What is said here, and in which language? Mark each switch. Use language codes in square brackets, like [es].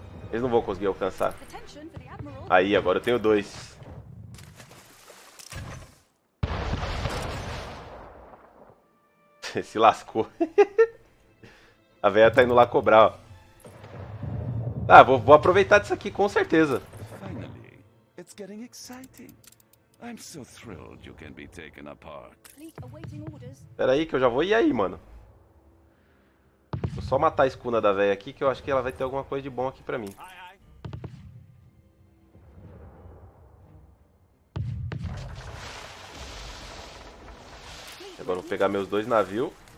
[pt] Eles não vão conseguir alcançar. Aí, agora eu tenho dois. Se lascou. A velha tá indo lá cobrar, ó. Ah, vou aproveitar disso aqui, com certeza. [en] Finally, it's getting exciting. I'm so thrilled you can be taken apart. [pt] Pera aí que eu já vou ir aí, mano. Vou só matar a escuna da véia aqui, que eu acho que ela vai ter alguma coisa de bom aqui pra mim. Agora vou pegar meus dois navios.